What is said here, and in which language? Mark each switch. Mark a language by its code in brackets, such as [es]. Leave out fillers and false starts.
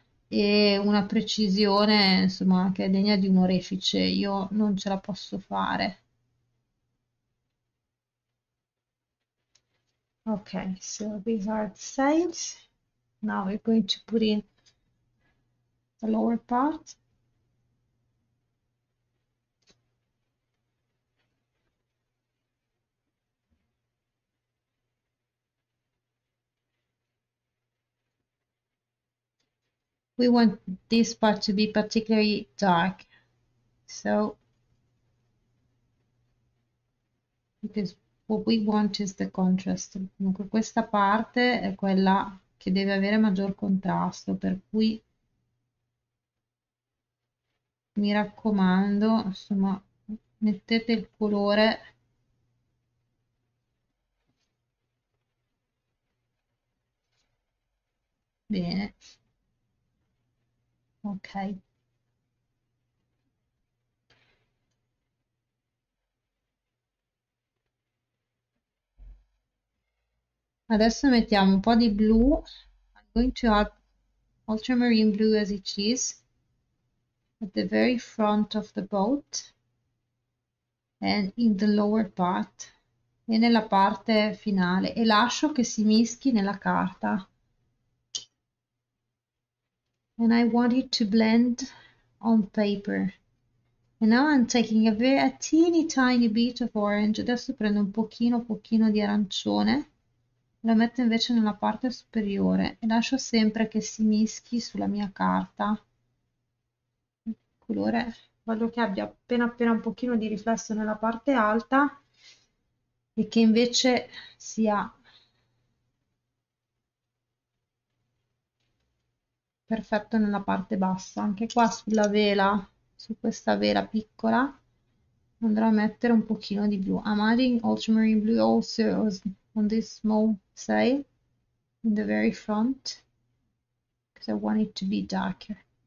[it] E una precisione, insomma, che è degna di un orefice, io non ce la posso fare. [en] Ok, so these are the sides. Now we're going to put in the lower part. We want this part to be particularly dark, so because what we want is the contrast. [it] Comunque questa parte è quella che deve avere maggior contrasto, per cui mi raccomando, insomma, mettete il colore. Bene. Ok. Adesso mettiamo un po' di blu. [en] I'm going to add ultramarine blue as it is at the very front of the boat and in the lower part [it] e nella parte finale e lascio che si mischi nella carta. [en] And I want it to blend on paper. And now I'm taking a teeny tiny bit of orange. [it] Adesso prendo un pochino di arancione. Lo metto invece nella parte superiore. E lascio sempre che si mischi sulla mia carta. Colore. Voglio che abbia appena un pochino di riflesso nella parte alta. E che invece sia. Perfetto nella parte bassa, anche qua sulla vela, su questa vela piccola, andrò a mettere un pochino di blu. [en] I'm adding ultramarine blue also on this small sail in the very front, because I want it to be darker.